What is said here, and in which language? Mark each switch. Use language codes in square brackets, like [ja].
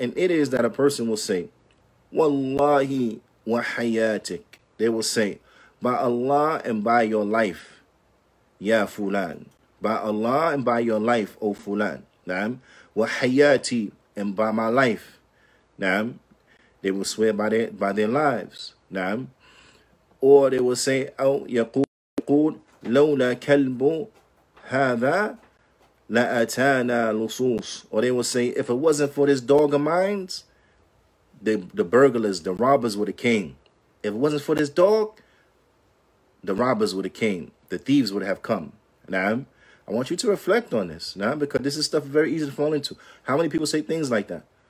[en] And it is that a person will say, [ar] وَاللَّهِ وَحَيَاتِكَ. [en] They will say, by Allah and by your life, [ar] يَا فُلَان. [en] By Allah and by your life, O Fulan. [ar] نعم. وَحَيَاتِي. [en] And by my life. [ar] نعم. [en] They will swear by their lives. [ar] نعم. [en] Or they will say, [ar] أَوْ يَقُولُ لَوْلَا كَلْبُ هَذَا لَأَتَانَا لُصُوص. [en] Or they will say, if it wasn't for this dog of mine, the burglars, the robbers would have came. If it wasn't for this dog, the robbers would have came. The thieves would have come. Now, I want you to reflect on this. Now, because this is stuff very easy to fall into. How many people say things like that?